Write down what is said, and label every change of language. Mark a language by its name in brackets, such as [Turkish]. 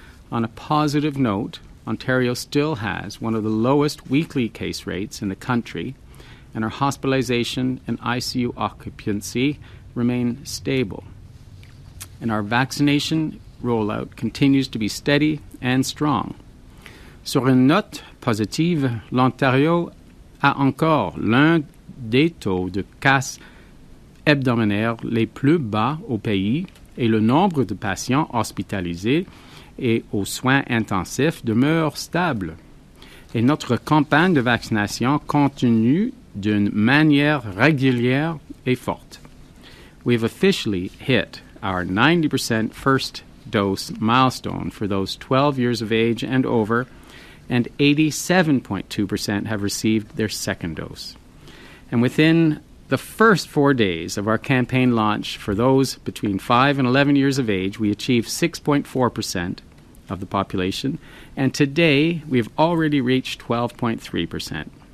[English] On a positive note, Ontario still has one of the lowest weekly case rates in the country, and our hospitalization and ICU occupancy remain stable. And our vaccination rollout continues to be steady and strong. [French] Sur une note positive, l'Ontario a encore l'un des taux de casse hebdomadaire les plus bas au pays et le nombre de patients hospitalisés et aux soins intensifs demeure stable. Et notre campagne de vaccination continue d'une manière régulière et forte. [English] We have officially hit our 90% first dose milestone for those 12 years of age and over, and 87.2% have received their second dose. And within the first 4 days of our campaign launch for those between 5 and 11 years of age, we achieved 6.4% of the population, and today we have already reached 12.3%.